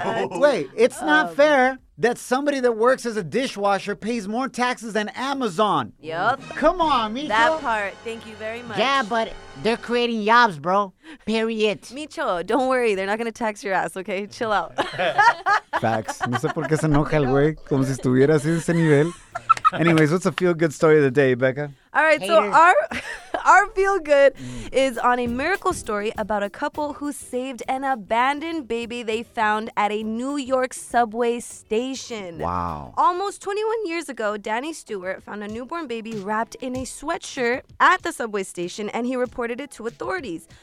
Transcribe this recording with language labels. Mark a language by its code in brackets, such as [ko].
[en] Wait, it's not fair that somebody that works as a dishwasher pays more taxes than Amazon. Yup. Come on, Micho. That part, thank you very much. Yeah, but they're creating jobs, bro. Period. Micho, don't worry. They're not going to tax your ass, okay? Chill out. Facts. [es] No sé por qué se enoja el güey, como si estuviera así de ese nivel. [en] Anyways, what's a feel-good story of the day, Becca? All right, hey, so our feel-good is on a miracle story about a couple who saved an abandoned baby they found at a New York subway station. Wow. Almost 21 years ago, Danny Stewart found a newborn baby wrapped in a sweatshirt at the subway station, and he reported it to authorities.